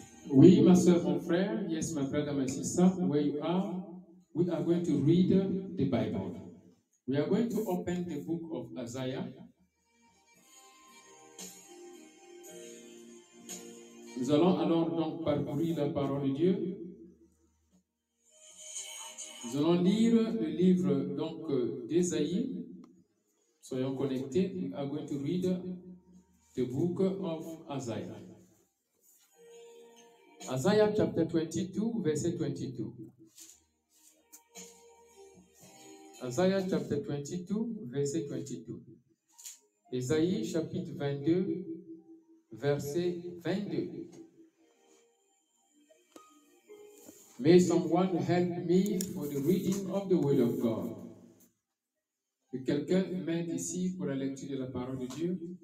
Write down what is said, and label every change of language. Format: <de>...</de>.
<fr>Oui, ma soeur, mon frère,</fr> <en>yes, my brother, my sister, where you are, we are going to read the Bible. We are going to open the book of Isaiah.</en> <fr>Nous allons alors donc parcourir la parole de Dieu. Nous allons lire le livre donc d'Esaïe. Soyons connectés.</fr> <en>We are going to read the book of Isaiah. Isaiah chapter 22, verset 22. Isaiah chapter 22, verset 22.</en> <fr>Esaïe chapitre 22, verset 22.</fr> <en>May someone help me for the reading of the word of God.</en> <fr>Que quelqu'un m'aide ici pour la lecture de la parole de Dieu.</fr>